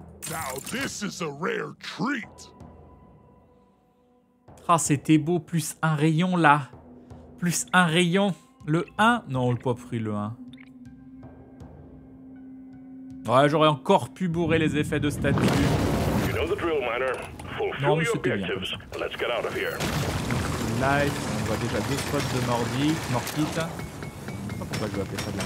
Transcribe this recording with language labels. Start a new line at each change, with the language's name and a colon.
English: Now this is a rare treat.
French: Ah, c'était beau, plus un rayon, là. Plus un rayon. Le 1. Non, le pop fruit, le 1. Ouais, j'aurais encore pu bourrer les effets de statue.
English: You know the drill, miner.
French: Non, mais c'était bien.
English: Let's get out of here.
French: Life, on voit déjà deux spots de Mordite. Mordite. Pourquoi je vais appeler ça de la